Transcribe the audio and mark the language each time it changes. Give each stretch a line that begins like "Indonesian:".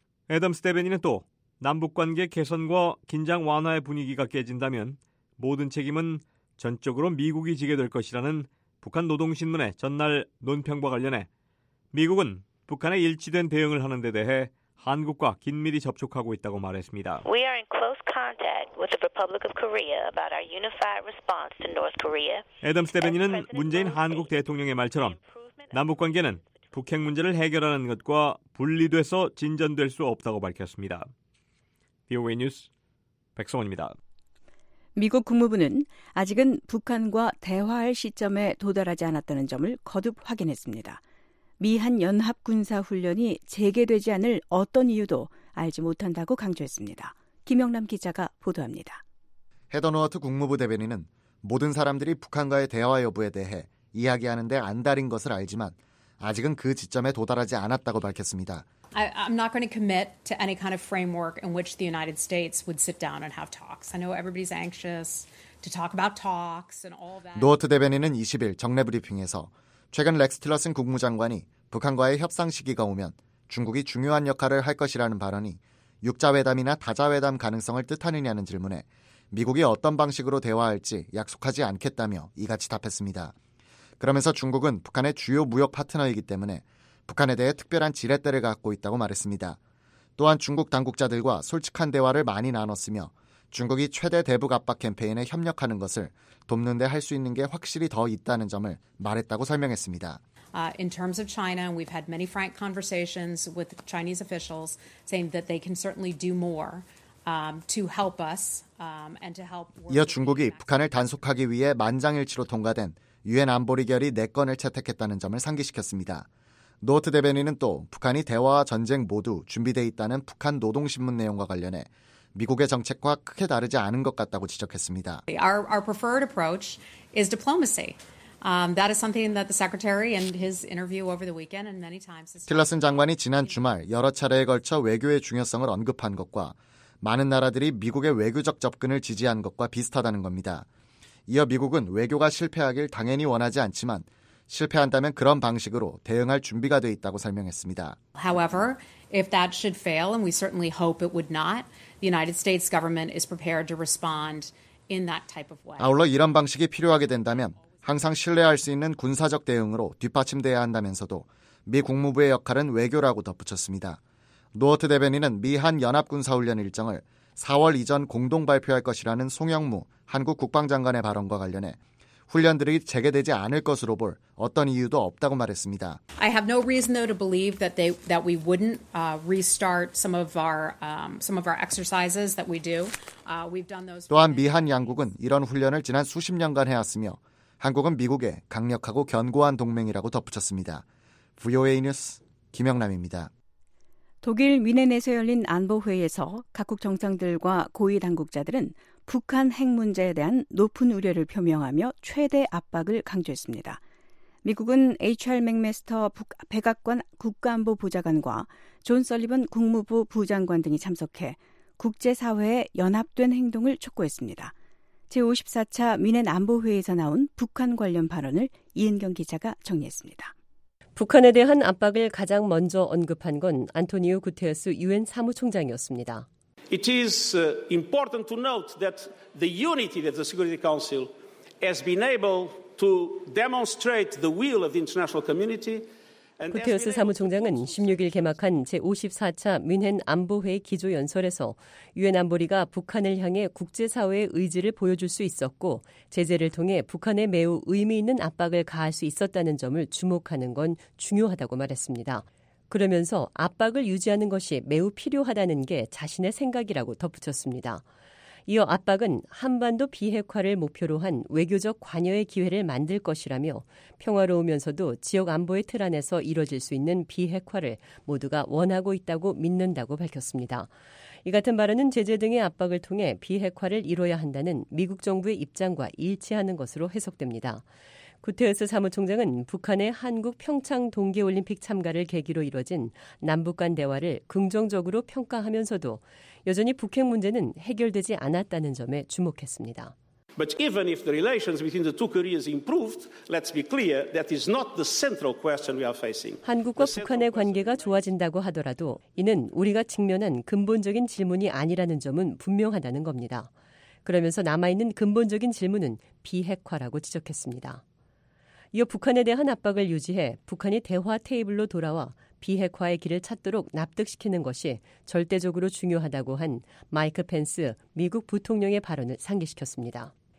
Korean: 애덤스 대변인은 또 남북관계 개선과 긴장 완화의 분위기가 깨진다면 모든 책임은 전적으로 미국이 지게 될 것이라는 북한 노동신문의 전날 논평과 관련해 미국은 북한의 일치된 대응을 하는 데 대해 한국과 긴밀히 접촉하고 있다고 말했습니다.
English: We are in close contact with the Republic of Korea about our unified response to North Korea.
Korean: 애덤스 대변인은 문재인 한국 대통령의 말처럼 남북관계는 북핵 문제를 해결하는 것과 분리돼서 진전될 수 없다고 밝혔습니다. BOA 뉴스 백성원입니다. 미국 국무부는 아직은 북한과 대화할 시점에 도달하지 않았다는 점을 거듭 확인했습니다. 미한 연합군사훈련이 재개되지 않을 어떤 이유도 알지 못한다고 강조했습니다. 김영남 기자가 보도합니다. 헤더 노어트 국무부 대변인은 모든 사람들이 북한과의 대화 여부에 대해 이야기하는 데 안달인 것을 알지만 아직은 그 지점에 도달하지 않았다고 밝혔습니다.
English: I'm not going to commit to any kind of framework in which the United States would sit down and have talks. I know everybody's anxious to talk about talks and all that.
Korean: 노어트 대변인은 20일 정례 브리핑에서 최근 렉스 틸러슨 국무장관이 북한과의 협상 시기가 오면 중국이 중요한 역할을 할 것이라는 발언이 6자회담이나 다자회담 가능성을 뜻하느냐는 질문에 미국이 어떤 방식으로 대화할지 약속하지 않겠다며 이같이 답했습니다. 그러면서 중국은 북한의 주요 무역 파트너이기 때문에 북한에 대해 특별한 지렛대를 갖고 있다고 말했습니다. 또한 중국 당국자들과 솔직한 대화를 많이 나눴으며 중국이 최대 대북 압박 캠페인에 협력하는 것을 돕는 데 할 수 있는 게 확실히 더 있다는 점을 말했다고 설명했습니다.
English: In terms of China, we've had many frank conversations with Chinese officials saying that they can certainly do more to help us and to help.
Korean: 이어 중국이 북한을 단속하기 위해 만장일치로 통과된 유엔 안보리 결의 4건을 채택했다는 점을 상기시켰습니다. 노어트 대변인은 또 북한이 대화와 전쟁 모두 준비되어 있다는 북한 노동신문 내용과 관련해 미국의 정책과 크게 다르지 않은 것 같다고 지적했습니다.
English: Our preferred approach is diplomacy. That is something that the secretary and his interview over the weekend and many times.
Korean: 틸러슨 장관이 지난 주말 여러 차례에 걸쳐 외교의 중요성을 언급한 것과 많은 나라들이 미국의 외교적 접근을 지지한 것과 비슷하다는 겁니다. 이어 미국은 외교가 실패하길 당연히 원하지 않지만 실패한다면 그런 방식으로 대응할 준비가 돼 있다고 설명했습니다.
English: However, if that should fail, and we certainly hope it would not, the United States government is prepared to respond in that type of way.
Korean: 아울러 이런 방식이 필요하게 된다면 항상 신뢰할 수 있는 군사적 대응으로 뒷받침돼야 한다면서도 미 국무부의 역할은 외교라고 덧붙였습니다. 노어트 대변인은 미한 연합군사훈련 일정을 4월 이전 공동 발표할 것이라는 송영무 한국 국방장관의 발언과 관련해 훈련들이 재개되지 않을 것으로 볼 어떤 이유도 없다고 말했습니다.
English: I have no reason though to believe that we wouldn't restart some of our exercises that we do. We've done those.
Korean: 또한 미한 양국은 이런 훈련을 지난 수십 년간 해왔으며 한국은 미국의 강력하고 견고한 동맹이라고 덧붙였습니다. VOA 뉴스 김영남입니다. 독일 뮌헨에서 열린 안보회의에서 각국 정상들과 고위 당국자들은 북한 핵 문제에 대한 높은 우려를 표명하며 최대 압박을 강조했습니다. 미국은 H.R. 맥메스터 백악관 국가안보보좌관과 존 설리번 국무부 부장관 등이 참석해 국제사회에 연합된 행동을 촉구했습니다. 제54차 뮌헨 안보회의에서 나온 북한 관련 발언을 이은경 기자가 정리했습니다. 북한에 대한 압박을 가장 먼저 언급한 건 안토니오 구테스 유엔 사무총장이었습니다.
English: It is important to note that the unity that the Security Council has been able to demonstrate the will of the international community.
Korean: 구테스 사무총장은 16일 개막한 제54차 뮌헨 안보회의 기조연설에서 유엔 안보리가 북한을 향해 국제사회의 의지를 보여줄 수 있었고 제재를 통해 북한에 매우 의미 있는 압박을 가할 수 있었다는 점을 주목하는 건 중요하다고 말했습니다. 그러면서 압박을 유지하는 것이 매우 필요하다는 게 자신의 생각이라고 덧붙였습니다. 이어 압박은 한반도 비핵화를 목표로 한 외교적 관여의 기회를 만들 것이라며 평화로우면서도 지역 안보의 틀 안에서 이뤄질 수 있는 비핵화를 모두가 원하고 있다고 믿는다고 밝혔습니다. 이 같은 발언은 제재 등의 압박을 통해 비핵화를 이뤄야 한다는 미국 정부의 입장과 일치하는 것으로 해석됩니다. 구테스 사무총장은 북한의 한국 평창 동계올림픽 참가를 계기로 이뤄진 남북 간 대화를 긍정적으로 평가하면서도 여전히 북핵 문제는 해결되지 않았다는 점에 주목했습니다.
English: But even if the relations between the two Koreas improved, let's be clear, that is not the central question we are facing.
Korean: 한국과 북한의 관계가 좋아진다고 하더라도 이는 우리가 직면한 근본적인 질문이 아니라는 점은 분명하다는 겁니다. 그러면서 남아있는 근본적인 질문은 비핵화라고 지적했습니다. 이어 북한에 대한 압박을 유지해 북한이 대화 테이블로 돌아와 비핵화의 길을 찾도록 납득시키는 것이 절대적으로 중요하다고 한 마이크 펜스 미국 부통령의 발언을 상기시켰습니다.